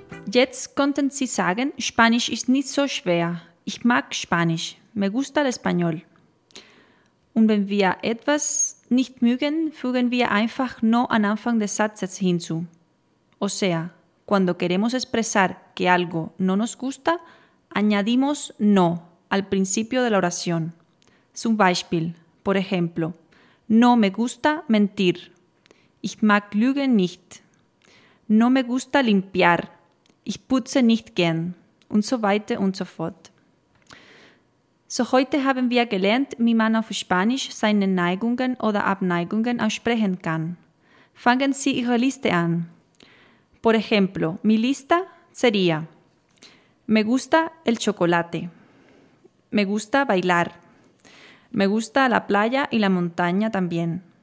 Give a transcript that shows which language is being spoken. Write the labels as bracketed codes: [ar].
[de] Jetzt konnten Sie sagen, Spanisch ist nicht so schwer. Ich mag Spanisch. [es] Me gusta el español. [de] Und wenn wir etwas nicht mögen, fügen wir einfach noch am Anfang des Satzes hinzu. [es] O sea, cuando queremos expresar que algo no nos gusta, añadimos no al principio de la oración. [de] Zum Beispiel, [es] por ejemplo, no me gusta mentir. [de] Ich mag Lügen nicht. [es] No me gusta limpiar. [de] Ich putze nicht gern. Und so weiter und so fort. So heute haben wir gelernt, wie man auf Spanisch seine Neigungen oder Abneigungen aussprechen kann. Fangen Sie Ihre Liste an. [es] Por ejemplo, mi lista sería: Me gusta el chocolate. Me gusta bailar. Me gusta la playa y la montaña también.